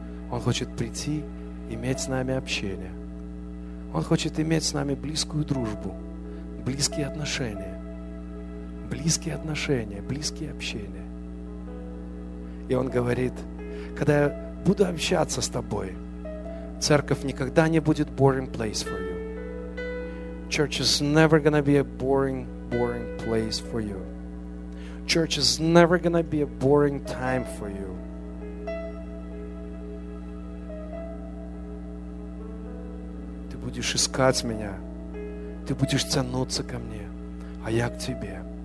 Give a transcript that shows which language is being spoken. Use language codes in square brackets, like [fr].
[ru] Он хочет прийти, иметь с нами общение. Он хочет иметь с нами близкую дружбу, близкие отношения. Близкие отношения, близкие общения. И Он говорит: когда я буду общаться с тобой, церковь никогда не будет [en] boring place for you. Church is never gonna be a boring place for you. Church is never gonna be a boring time for you. [ru] Ты будешь искать меня, ты будешь тянуться ко мне, а я к тебе.